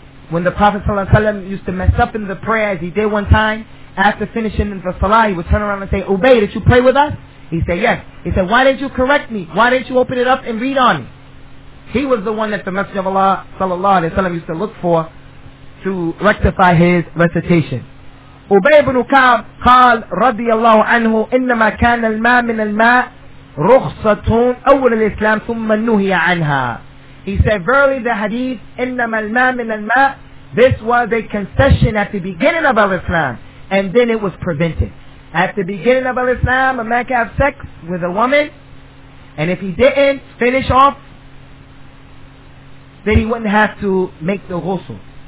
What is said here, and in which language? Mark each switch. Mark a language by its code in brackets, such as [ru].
[en] When the Prophet sallallahu alayhi wa sallam used to mess up in the prayer, as he did one time, after finishing the salah, he would turn around and say, Ubay, did you pray with us? He said, yes. He said, why didn't you correct me? Why didn't you open it up and read on me? He was the one that the Messenger of Allah sallallahu alayhi wa sallam used to look for to rectify his recitation. [ar] Ubay ibn Ka'b قال رضي الله عنه إنما كان الماء من الماء رخصة أول الإسلام ثم نهي عنها. [en] He said, verily the hadith, [ar] إنما الماء من الماء, [en] this was a concession at the beginning of Al-Islam, and then it was prevented. At the beginning of Al-Islam, a man can have sex with a woman, and if he didn't finish off, then he wouldn't have to make the ghusl.